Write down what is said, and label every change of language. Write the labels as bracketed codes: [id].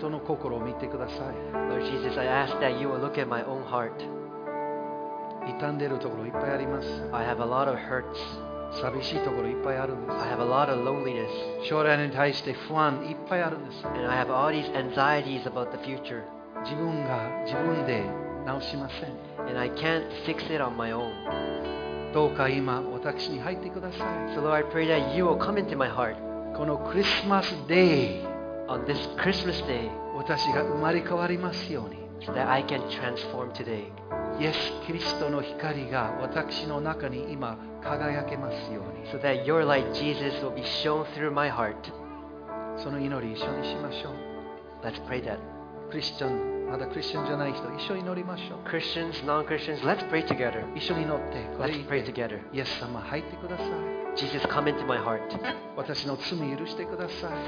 [en] Jesus, I ask that you will look at my own heart. [ja] 傷んでるところいっぱいあります。 [en] I have a lot of hurts. [ja] 寂しいところいっぱいあるんです。 [en] I have a lot of loneliness. [ja] 将来に対して不安いっぱいあるんです。 [en] And I have all these anxieties about the future. [ja] 自分が自分で直しません。 [en] And I can't fix it on my own. [ja] どうか今私に入ってください。 [en] So Lord, I pray that you will come into my heart. [ja] このクリスマスデイ、 [en] on this Christmas day, [ja] 私が生まれ変わりますように。 [en] So that I can transform today. [ja] イエス・キリストの光が私の中に今輝けますように。 [en] So that your light, Jesus, will be shown through my heart. [ja] その祈り一緒にしましょう。 [en] Let's pray that. [ja] クリスチャン、まだクリスチャンじゃない人、一緒に祈りましょう。 [en] Christians, non-Christians, let's pray together. [ja] 一緒に祈って、 [en] Let's pray together. [ja] イエス様、入ってください。 [en] Jesus, come into my heart. [ja] 私の罪許してください。